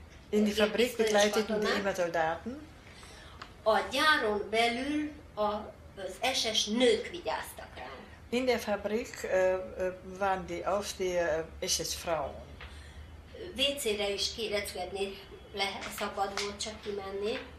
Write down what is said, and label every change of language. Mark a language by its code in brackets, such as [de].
[de] In die Fabrik begleiteten die immer Soldaten. [hu] A gyáron belül az SS nők vigyáztak rám. [de] In der Fabrik waren die Aufseher SS Frauen. [hu] WC-re is kérezgetni lehet, szabad volt csak kimenni.